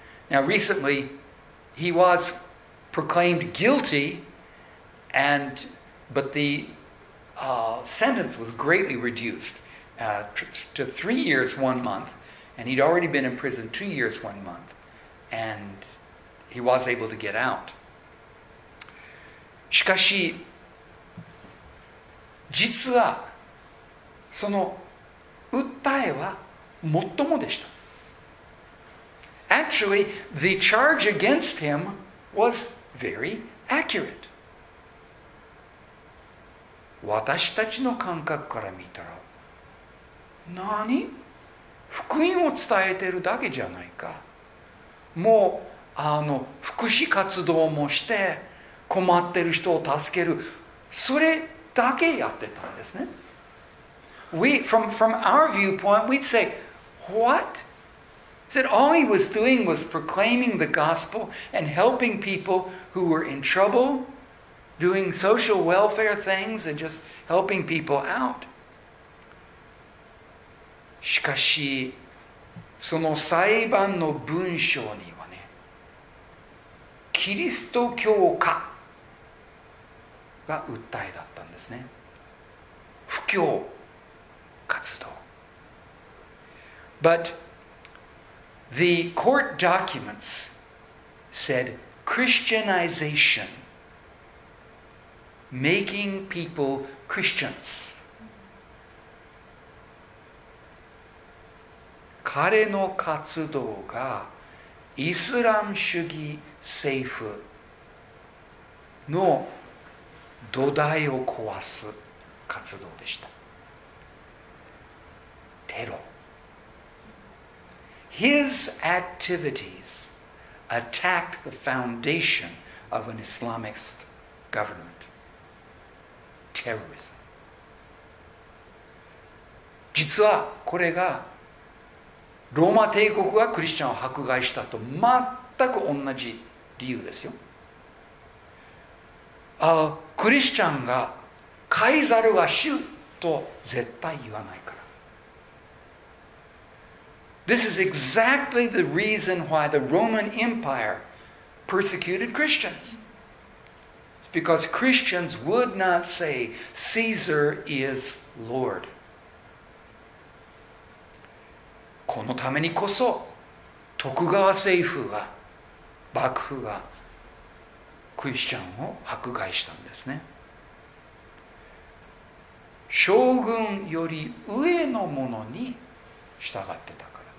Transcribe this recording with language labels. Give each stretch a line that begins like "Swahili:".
English: Now recently he was proclaimed guilty but the sentence was greatly reduced to 3 years 1 month and he'd already been in prison 2 years 1 month and he was able to get out.
Japanese: しかし実はその訴えはもっともでした。
English: Actually, the charge against him was very accurate.
Japanese: 私たちの感覚から見たら、何？福音を伝えてるだけじゃないか。もう福祉活動もして、困ってる人を助ける、それだけやってたんですね。
English: We, from our viewpoint, we'd say, what? Said all he was doing was proclaiming the gospel and helping people who were in trouble, doing social welfare things and just helping people out.
Japanese: しかし、その裁判の文章にはね、キリスト教化が訴えだったんですね。布教活動。
English: But the court documents said Christianization, making people Christians.
Japanese: 彼の活動がイスラム主義政府の土台を壊す活動でした。テロ。
English: His activities attacked the foundation of an Islamist government. Terrorism.
Japanese: 実はこれがローマ帝国がクリスチャンを迫害したと全く同じ理由ですよ。クリスチャンがカイザルは主と絶対言わないから。
English: This is exactly the reason why the Roman Empire persecuted Christians. It's because Christians would not say Caesar is Lord.
Japanese: このためにこそ徳川政府が幕府がクリスチャンを迫害したんですね。将軍より上のものに従ってた。